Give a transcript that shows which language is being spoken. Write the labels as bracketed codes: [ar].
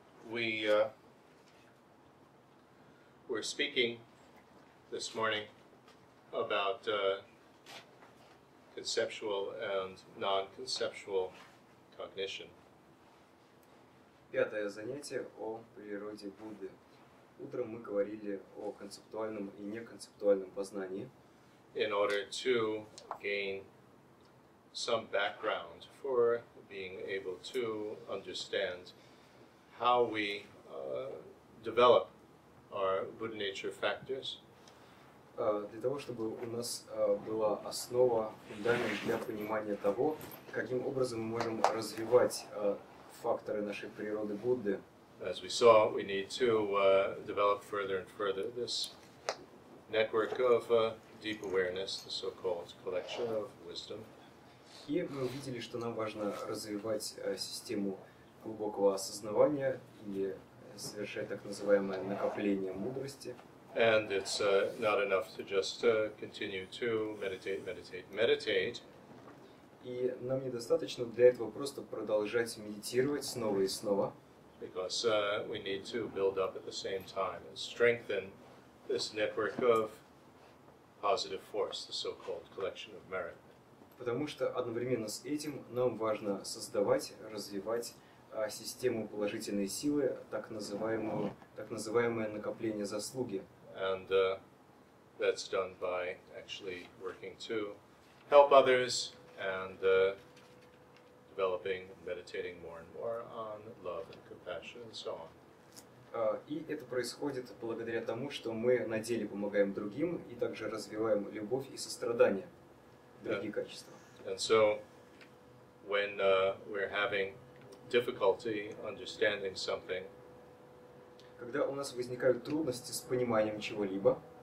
[en] We're speaking this morning about conceptual and non-conceptual cognition. [ru] Пятое занятие о природе Будды. Утром мы говорили о концептуальном и неконцептуальном познании. [en] In order to gain some background for being able to understand how we develop our Buddha nature factors. [ru] Для того, чтобы у нас была основа, фундамент для понимания того, каким образом мы можем развивать факторы нашей природы Будды. [en] As we saw, we need to develop further and further this network of deep awareness, the so-called collection of wisdom. [ru] И мы увидели, что нам важно развивать систему глубокого осознавания и совершать так называемое накопление мудрости. [en] And it's not enough to just continue to meditate. [ru] И нам недостаточно для этого просто продолжать медитировать снова и снова. [en] Because we need to build up at the same time and strengthen this network of positive force, the so-called collection of merit. [ru] Потому что одновременно с этим нам важно создавать, развивать систему положительной силы, так называемое накопление заслуги. [en] And that's done by actually working to help others and developing and meditating more and more on love and compassion and so on. [ru] И это происходит благодаря тому, что мы на деле помогаем другим и также развиваем любовь и сострадание, другие качества. [en] And so, when we're having difficulty understanding something, [ru] когда у нас возникают трудности с пониманием чего-либо,